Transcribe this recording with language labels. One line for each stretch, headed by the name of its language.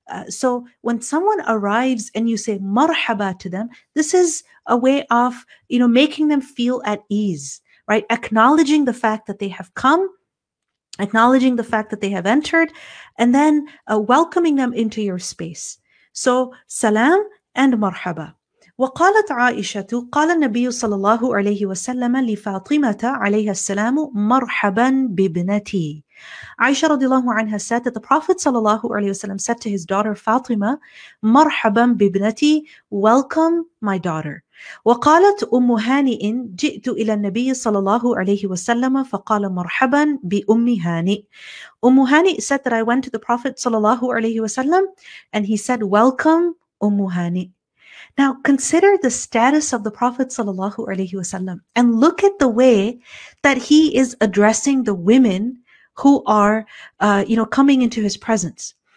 English: So when someone arrives and you say marhaba to them, this is a way of, making them feel at ease, right? Acknowledging the fact that they have come, acknowledging the fact that they have entered, and then welcoming them into your space. So, salam and marhaba.
Arabic: وقالت عائشة قال النبي صلى الله عليه وسلم لفاطمة عليها السلام مرحبا بابنتي.
English: Aisha رضي الله عنها said that the Prophet صلى الله عليه وسلم said to his daughter فاطمة
Arabic: مرحبا بابنتي,
English: welcome my daughter.
Arabic: وقالت أم هانئ جئت إلى النبي صلى الله عليه وسلم فقال مرحبا بأم هانئ.
English: أم هانئ said that I went to the Prophet صلى الله عليه وسلم and he said welcome أم هانئ. Now consider the status of the Prophet صلى الله عليه وسلم and look at the way that he is addressing the women who are coming into his presence.